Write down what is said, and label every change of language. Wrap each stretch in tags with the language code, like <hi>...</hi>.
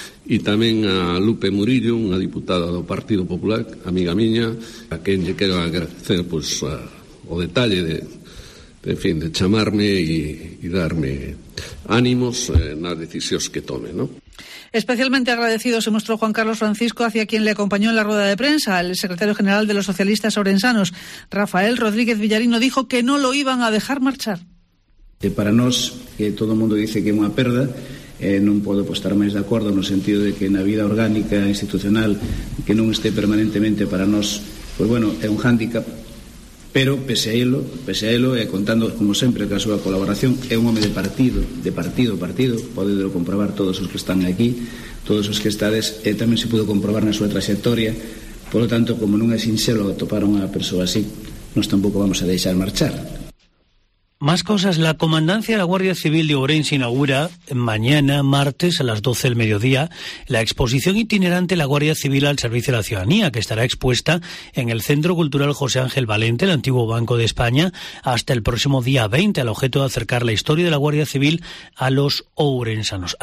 <es>Y también a Lupe Murillo, una diputada del Partido Popular, amiga mía, a quien le quiero agradecer, pues, o detalle de, en fin, de llamarme y darme ánimos en las decisiones que tome, ¿no? Especialmente agradecido se mostró Juan Carlos Francisco hacia quien le acompañó en la rueda de prensa. El secretario general de los socialistas orensanos, Rafael Rodríguez Villarino, dijo que no lo iban a dejar marchar.</es> <gl>Para nos, que todo el mundo dice que é unha perda, non podo estar máis de acordo no sentido de que na vida orgánica, institucional, que non este permanentemente para nos, pues bueno, é un hándicap. Pero pese a ello, contando como sempre que a súa colaboración, é un home de partido, podedelo comprobar todos os que están aquí, todos os que estades, e tamén se pudo comprobar na súa trayectoria.</gl> <es>Por lo tanto,</es> <gl>como non é sinxelo topar unha persoa así, nos tampouco vamos a deixar marchar.</gl> <es>Más cosas, la comandancia de la Guardia Civil de Ourense inaugura mañana, martes, a las 12 del mediodía, la exposición itinerante La Guardia Civil al Servicio de la Ciudadanía, que estará expuesta en el Centro Cultural José Ángel Valente, el antiguo Banco de España, hasta el próximo día 20, al objeto de acercar la historia de la Guardia Civil a los ourensanos.</es>